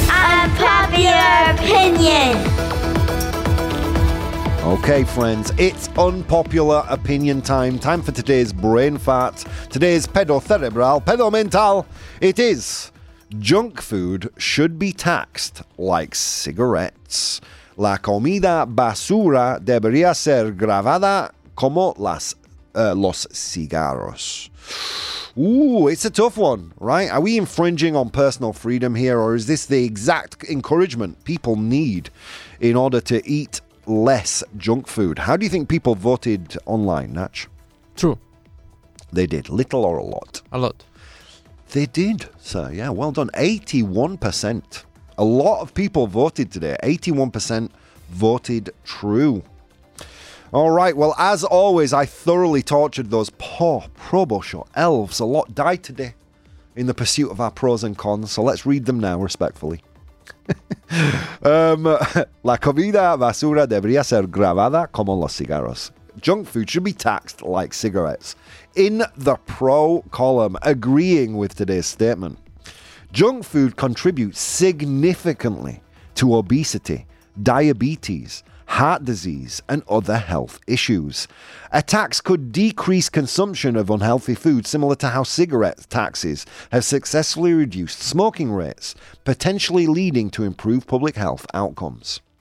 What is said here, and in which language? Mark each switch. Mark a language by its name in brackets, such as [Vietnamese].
[English] Unpopular opinion. Okay, friends. It's unpopular opinion time. Time for today's brain fart. Today's [Spanish] pedo cerebral, pedo mental. [English] It is junk food should be taxed like cigarettes. [Spanish] La comida basura debería ser grabada como los cigarros. [English] Ooh, it's a tough one, right? Are we infringing on personal freedom here, or is this the exact encouragement people need in order to eat less junk food? How do you think people voted online, Natch? True. They did. Little or a lot? A lot. They did, sir. Yeah, well done. 81%. A lot of people voted today. 81%. Voted true. All right, well, as always, I thoroughly tortured those poor Proboshaw elves. A lot died today in the pursuit of our pros and cons, so let's read them now respectfully. [Spanish] La comida basura debería ser grabada como los cigarros. [English] Junk food should be taxed like cigarettes. In the pro column, agreeing with today's statement, junk food contributes significantly to obesity, diabetes, heart disease, and other health issues. A tax could decrease consumption of unhealthy food, similar to how cigarette taxes have successfully reduced smoking rates, potentially leading to improved public health outcomes.